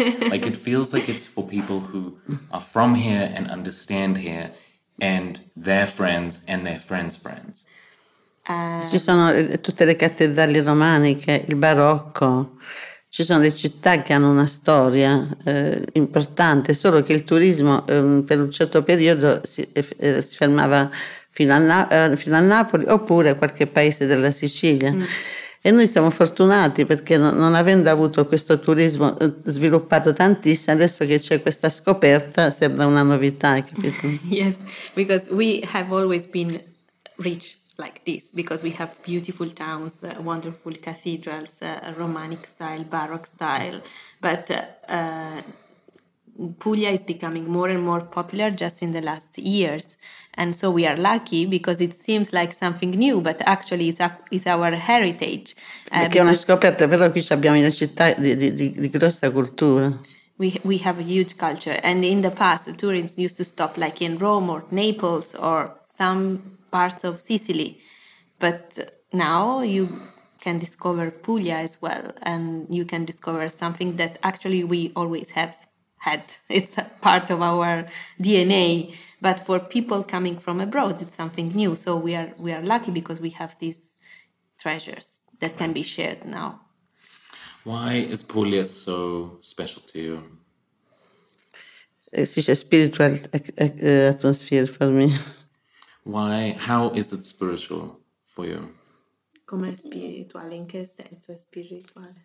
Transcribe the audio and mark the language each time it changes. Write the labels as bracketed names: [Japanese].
[English] Like it feels like it's for people who are from here and understand here and their friends and their friends' friends. [Italian] Ci sono tutte le cattedrali romaniche, il barocco, ci sono le città che hanno una storia importante, solo che il turismo per un certo periodo si fermava fino a Napoli oppure a qualche paese della Sicilia. E noi siamo fortunati perché non avendo avuto questo turismo sviluppato tantissimo, adesso che c'è questa scoperta sembra una novità, capito? [English] Yes, because we have always been rich like this, because we have beautiful towns, wonderful cathedrals, Romanic style, Baroque style, but Puglia is becoming more and more popular just in the last years, and so we are lucky because it seems like something new, but actually it's our heritage. [Italian] Perché è una scoperta, però qui abbiamo una città di grossa cultura. [English] We have a huge culture, and in the past the tourists used to stop like in Rome or Naples or some parts of Sicily, but now you can discover Puglia as well, and you can discover something that actually we always have had. It's a part of our DNA, but for people coming from abroad, it's something new. So we are lucky because we have these treasures that can be shared now. Why is Puglia so special to you? It's a spiritual atmosphere for me. Why? How is it spiritual for you? [Italian] Come spirituale, in che senso è spirituale?